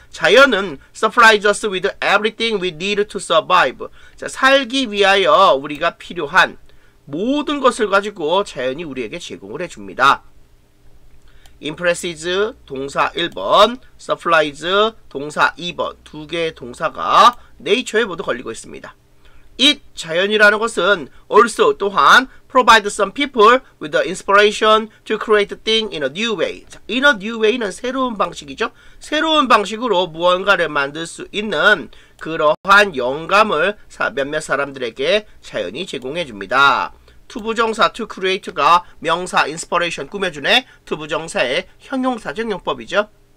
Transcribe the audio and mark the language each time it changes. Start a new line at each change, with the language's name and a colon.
Korean: 자연은
English: supplies us with everything we need to survive.
Korean: 자, 살기 위하여 우리가 필요한 모든 것을 가지고 자연이 우리에게 제공을 해줍니다. Impresses 동사 1번, supplies 동사 2번, 두 개의 동사가 nature에 모두 걸리고 있습니다.
English: It,
Korean: 자연이라는 것은
English: also
Korean: 또한
English: provide some people with the inspiration to create things in a new way. In a new way
Korean: 는 새로운 방식이죠. 새로운 방식으로 무언가를 만들 수 있는 그러한 영감을 몇몇 사람들에게 자연이 제공해 줍니다. 투부정사 to create가 명사 inspiration 꾸며주네. 투부정사의 형용사정용법이죠.